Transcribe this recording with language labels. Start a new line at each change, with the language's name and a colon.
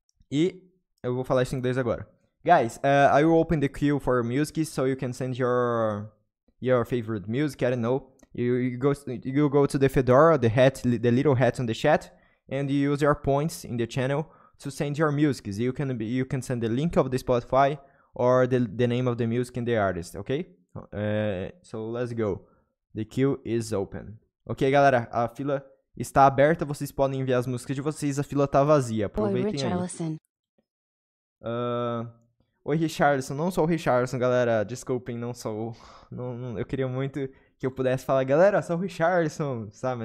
Portuguese: E eu vou falar isso em inglês agora.
English: Guys, I will open the queue for music so you can send your favorite music. I don't know. You go to the Fedora, the hat, the little hat on the chat, and you use your points in the channel to send your music. You can send the link of the Spotify or the name of the music and the artist, okay? So let's go. The queue is open.
Portuguese: Okay, galera, a fila está aberta, vocês podem enviar as músicas de vocês. A fila tá vazia, Oi, aproveitem Rich aí. Ellison. Oi, Richardson. Não sou o Richardson, galera. Desculpem, não sou. Não, eu queria muito que eu pudesse falar, galera, sou o Richardson, sabe?